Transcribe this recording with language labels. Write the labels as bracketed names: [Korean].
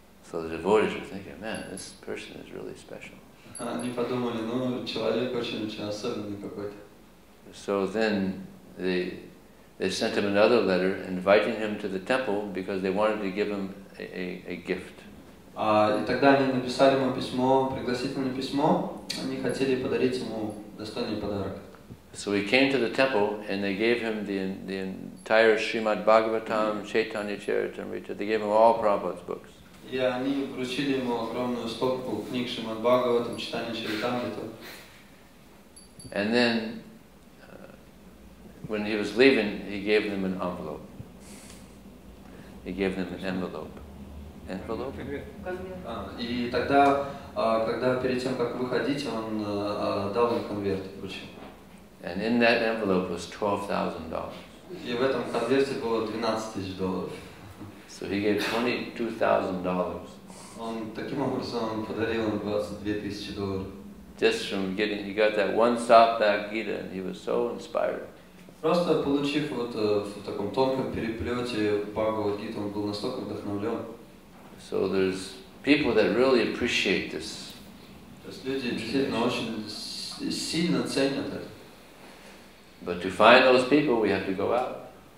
[English] So the devotees were thinking, man, this person is really special. [Russian] Они подумали, ну человек очень особенный какой-то. [English] So then they sent him another letter, inviting him to the temple because they wanted to give him a gift. [Russian] И тогда они написали ему письмо, пригласительное письмо. Они хотели подарить ему достойный подарок. [English] So he came to the temple and they gave him the entire Srimad Bhagavatam, Chaitanya Charitamrita. They gave him all Prabhupada's books. [Russian] И они вручили ему огромную стопку книг Шримад Бхагаватам, Чайтанья Чаритамрита. [English] And then, when he was leaving, he gave them an envelope. He gave them an envelope. [Russian] И тогда, когда перед тем как выходить, он дал им конверт, вручил. [English] And in that envelope was $12,000. [Russian] И в этом конверте было $12,000. [English] So he gave $22,000. [Russian] Он таким образом подарил ему $22,000. [English] Just from getting, he got that one softback Gita, and he was so inspired. [Russian] Просто получив вот в таком тонком переплете Бхагавад Гиту, он был настолько вдохновлен. [English] So there's people that really appreciate this. But to find those people, we have to go out.